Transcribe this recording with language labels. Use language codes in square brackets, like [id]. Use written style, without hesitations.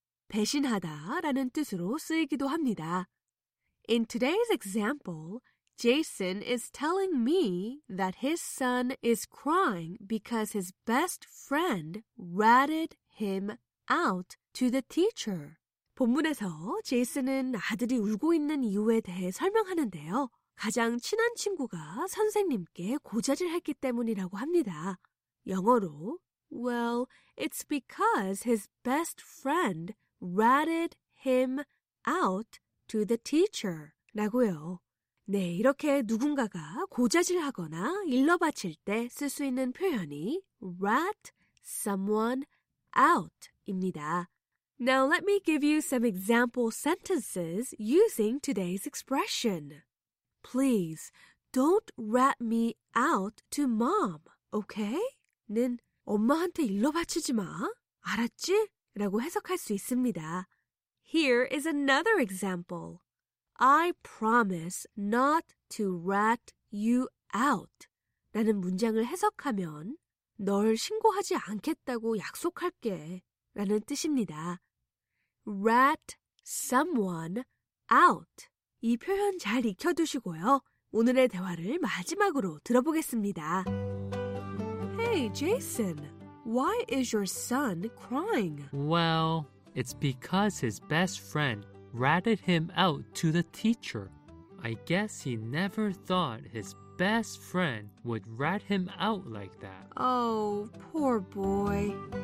[ko] 배신하다 라는 뜻으로 쓰이기도 합니다. [en] In today's example, Jason is telling me that his son is crying because his best friend ratted him out to the teacher. [ko] 본문에서 제이슨은 아들이 울고 있는 이유에 대해 설명하는데요. 가장 친한 친구가 선생님께 고자질했기 때문이라고 합니다. 영어로 [en] Well, it's because his best friend ratted him out to the teacher [ko] 라고요. 네, 이렇게 누군가가 고자질하거나 일러바칠 때 쓸 수 있는 표현이 rat someone out 입니다. [en] Now let me give you some example sentences using today's expression. Please, don't rat me out to mom, okay? [ko] 는 엄마한테 일러바치지 마, 알았지? 라고 해석할 수 있습니다. [en] Here is another example. I promise not to rat you out [ko] 라는 문장을 해석하면 널 신고하지 않겠다고 약속할게 라는 뜻입니다. [en] rat someone out [ko] 이 표현 잘 익혀두시고요. 오늘의 대화를 마지막으로 들어보겠습니다. [en] Hey, Jason, why is your son crying? Well, it's because his best friend ratted him out to the teacher. I guess he never thought his best friend would rat him out like that. Oh, poor boy.